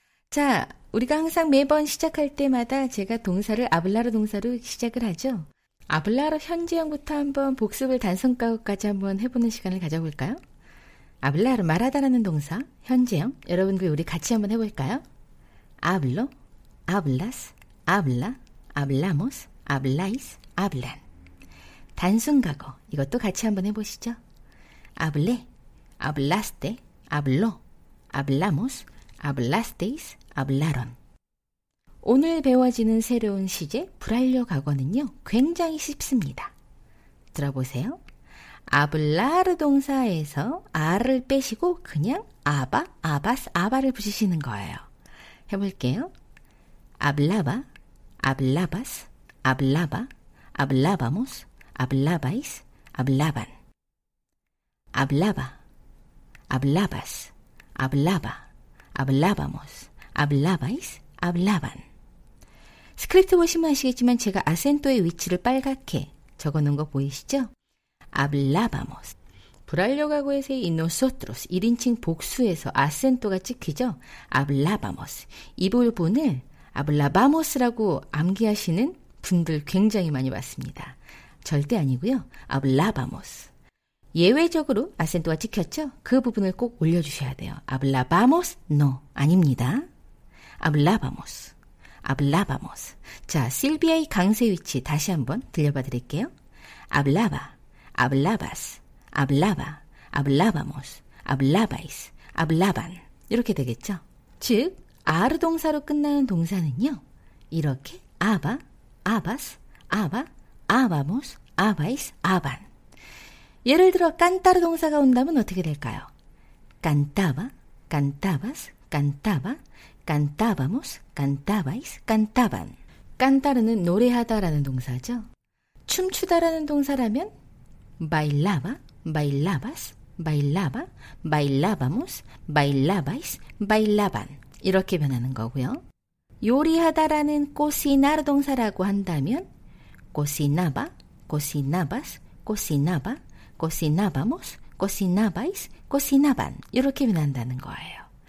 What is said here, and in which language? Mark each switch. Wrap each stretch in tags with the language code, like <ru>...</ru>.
<ko>자, 우리가 항상 매번 시작할 때마다 제가 동사를 아블라로 동사로 시작을 하죠. 아블라로 현재형부터 한번 복습을 단순 과거까지 한번 해보는 시간을 가져볼까요? 아블라로 말하다라는 동사, 현재형, 여러분들 우리 같이 한번 해볼까요?</ko> <es>Hablo, hablas, habla, hablamos, habláis, hablan.</es> <ko>단순 과거, 이것도 같이 한번 해보시죠.</ko> <es>Hablé, hablaste, habló, hablamos, hablasteis, hablaron.</es> <ko>오늘 배워지는 새로운 시제, 불완료 과거는요, 굉장히 쉽습니다. 들어보세요. hablar 동사에서 아를 빼시고 그냥 아바, 아바스, 아바를 붙이시는 거예요. 해볼게요.</ko> <es>hablaba, hablabas, hablaba, hablábamos, hablabais, hablaban. hablaba, hablabas, hablaba, hablábamos, hablabais, hablaban.</es> <ko>스크립트 보시면 아시겠지만 제가 아센토의 위치를 빨갛게 적어놓은 거 보이시죠?</ko> <es>Hablábamos.</es> <ko>불완료 과거에서의 nosotros, 1인칭 복수에서 아센토가 찍히죠?</ko> <es>Hablábamos.</es> <ko>이 부분을 Hablábamos라고 암기하시는 분들 굉장히 많이 봤습니다. 절대 아니고요. Hablábamos. 예외적으로 아센토가 찍혔죠? 그 부분을 꼭 올려주셔야 돼요.</ko> <es>Hablábamos? No.</es> <ko>아닙니다.</ko> <es>Hablábamos. Hablábamos.</es> <ko>자, 실비아의 강세 위치 다시 한번 들려봐 드릴게요.</ko> <es>Hablaba, hablabas, hablaba, hablábamos, hablabais, hablaban.</es> <ko>이렇게 되겠죠. 즉, 아르 동사로 끝나는 동사는요. 이렇게 아바, 아바스, 아바, 아바모스, 아바이스, 아반. 예를 들어 깐따르 동사가 온다면 어떻게 될까요?</ko> <es>Cantaba, cantabas, cantaba. Cantábamos, cantabais, cantaban.</es> <ko>Cantar는 노래하다라는 동사죠. 춤추다라는 동사라면</ko> <es>bailaba, bailabas, bailaba, bailábamos, bailabais, bailaban.</es> <ko>이렇게 변하는 거고요. 요리하다라는</ko> <es>cocinar</es> <ko>동사라고 한다면</ko> <es>cocinaba, cocinabas, cocinaba, cocinábamos, cocinabais, cocinaban.</es> <ko>이렇게 변한다는 거예요.</ko>